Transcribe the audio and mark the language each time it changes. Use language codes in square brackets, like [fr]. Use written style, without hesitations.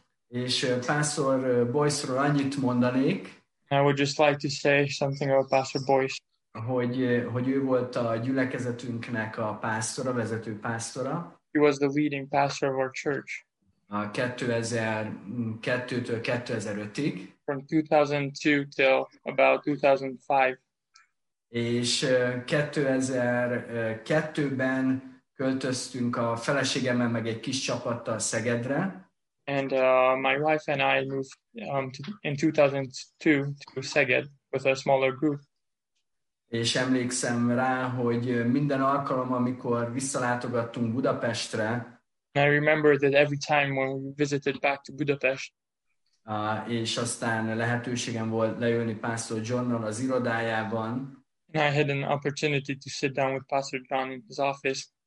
[hu] És Pastor Boyce-ról annyit mondanék. [en] I would just like to say something about Pastor Boyce. [hu] Hogy ő volt a gyülekezetünknek a pásztora, vezető pásztora. [en] He was the leading pastor of our church. [hu] 2002-től 2005-ig. [en] From 2002 till about 2005. [hu] És 2002-ben költöztünk a feleségemmel meg egy kis csapattal Szegedre. [en] And my wife and I moved in 2002 to Szeged with a smaller group. [hu] És emlékszem rá, hogy minden alkalom, amikor visszalátogattunk Budapestre. [en] I remember that every time when we visited back to Budapest. [hu] És aztán lehetőségem volt leülni Pastor Johnnal az irodájában. [en] And I had an opportunity to sit down with Pastor John in his office.